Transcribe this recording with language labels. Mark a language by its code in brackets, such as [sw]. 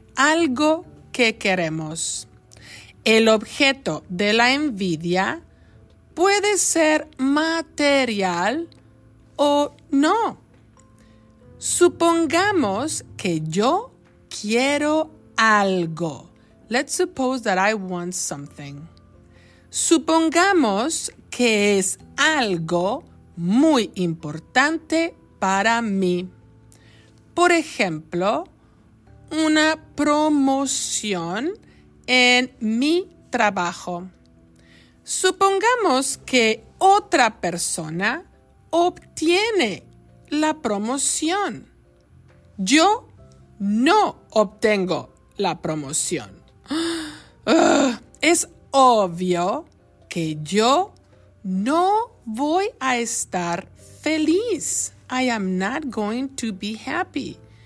[es] Algo que queremos. El objeto de la envidia puede ser material o no. Supongamos que yo quiero algo. [en] Let's suppose that I want something. [es] Supongamos que es algo muy importante para mí. Por ejemplo, una promoción en mi trabajo. Supongamos que otra persona obtiene la promoción. Yo no obtengo la promoción. Es obvio que yo no voy a estar feliz. [en] I am not going to be happy.